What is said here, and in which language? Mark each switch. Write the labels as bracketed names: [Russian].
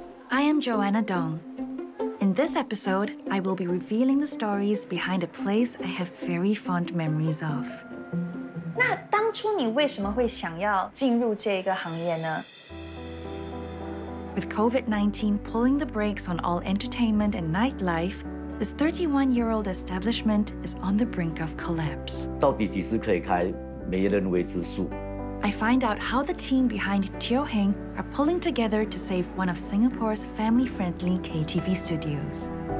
[English] I am Joanna Dong. In this episode, I will be revealing the stories behind a place I have very fond memories of. [Chinese] 那当初你为什么会想要进入这个行业呢? [English] With COVID-19 pulling the brakes on all entertainment and nightlife, this 31-year-old establishment is on the brink of collapse. [Chinese] 到底几时可以开?没人为之数。 [English] I find out how the team behind Teo Heng are pulling together to save one of Singapore's family-friendly KTV studios.